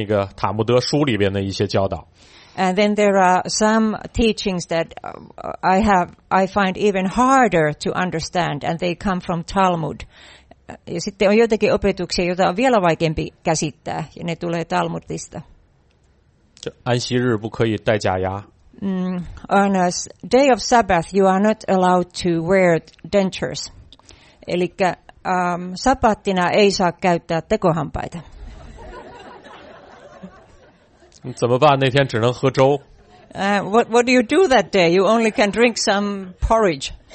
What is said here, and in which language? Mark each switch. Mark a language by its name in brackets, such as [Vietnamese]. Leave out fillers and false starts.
[Chinese] 还有更加让我不能理解的就是来自于那个塔木德书里边的一些教导。 [English] And then there are some teachings that I find even harder to understand, and they come from Talmud. [Finnish] Ja sitten on joitakin opetuksia, joita on vielä vaikeampi käsittää, ja ne tulee Talmudista. [Chinese] 安息日不可以戴假牙. [English] On a day of Sabbath, you are not allowed to wear dentures. [Finnish] Elikkä sabbattina ei saa käyttää tekohampaita. [Chinese] 怎么办？那天只能喝粥。 [English] What do you do that day? You only can drink some porridge.